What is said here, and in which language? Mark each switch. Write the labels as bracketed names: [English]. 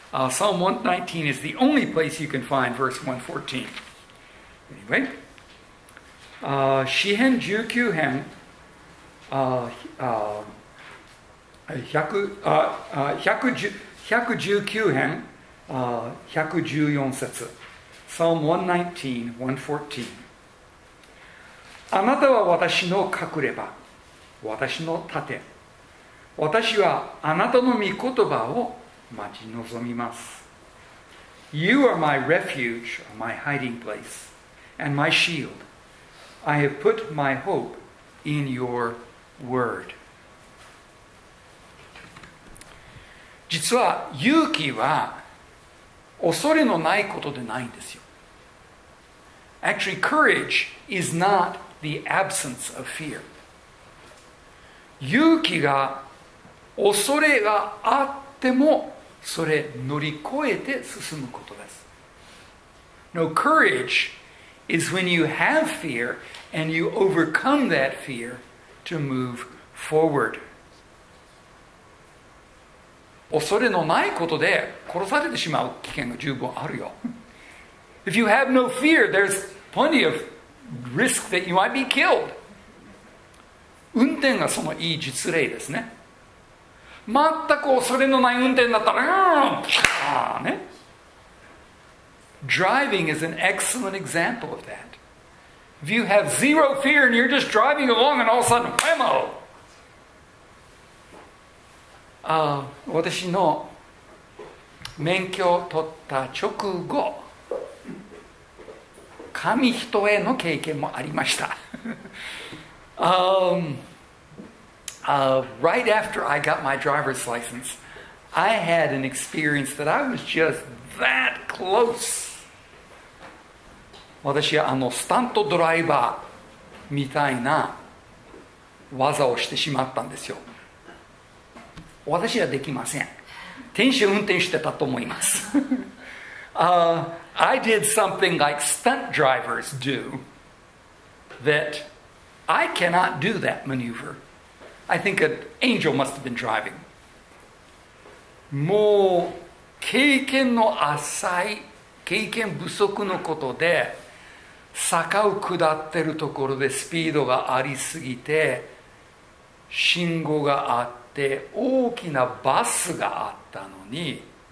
[English] Psalm 119 is the only place you can find verse 114. Anyway, [Japanese] 詩編19編119編114節 [English] Psalm 119:114 [Japanese] あなたは私の隠れ場、私の盾、私はあなたの御言葉を待ち望みます。 [English] You are my refuge, my hiding place, and my shield. I have put my hope in your word. [Japanese] 実は勇気は恐れのないことでないんですよ。 [English] Actually, courage is not the absence of fear. [Japanese] 勇気が恐れがあってもそれ乗り越えて進むことです。 [English] No, courage is when you have fear and you overcome that fear to move forward. [Japanese] 恐れのないことで殺されてしまう危険が十分あるよ。 [English] If you have no fear, there's plenty of risk that you might be killed. [Japanese] 運転がそのいい実例ですね。全く恐れのない運転だったら、ね。 [English] Driving is an excellent example of that. If you have zero fear and you're just driving along and all of a sudden, whammo! [Japanese] 私の免許を取った直後、紙一重の経験もありました。 [English] Right after I got my driver's license, I had an experience that I was just that close. [Japanese] 私はスタントドライバーみたいな技をしてしまったんですよ。私はできません。天使運転してたと思います。 [English] I did something like stunt drivers do that I cannot do that maneuver. I think an angel must have been driving. [Japanese] もう経験の浅い経験不足のことで坂を下ってるところでスピードがありすぎて信号があって大きなバスがあったのに